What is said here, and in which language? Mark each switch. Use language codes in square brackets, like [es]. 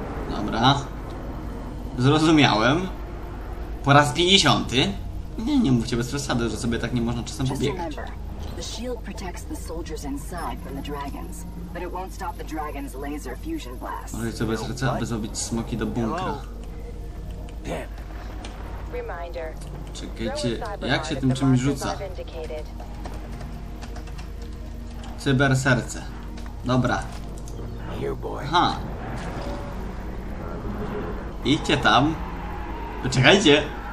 [pl] Dobra. Zrozumiałem. Po raz 50. Nie, nie mówcie bez przesady, że sobie tak nie można czasem pobiegać. [en] The shield protects the soldiers inside from the dragons, but it won't stop the dragon's laser fusion blast. Oh, it's a bit of smoky the bunker. Damn. Reminder. [pl] Czekajcie, jak się tym czymś rzuca? Cyber serce. Dobra. Ha. Idźcie tam. Poczekajcie.